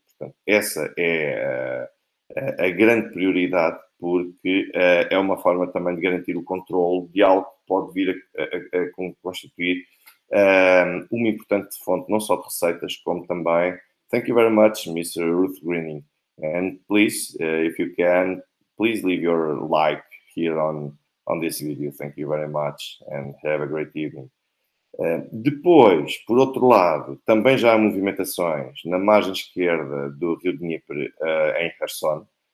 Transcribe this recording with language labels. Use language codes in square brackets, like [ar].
[pt] Portanto, essa é a grande prioridade, porque é uma forma também de garantir o controlo de algo que pode vir a constituir uma importante fonte, não só de receitas, como também [en] Thank you very much, Mr. Ruth Greening. And please, if you can, please leave your like here on this video. Thank you very much and have a great evening. [pt] Depois, por outro lado, também já há movimentações na margem esquerda do Rio de Dnieper, em Kherson.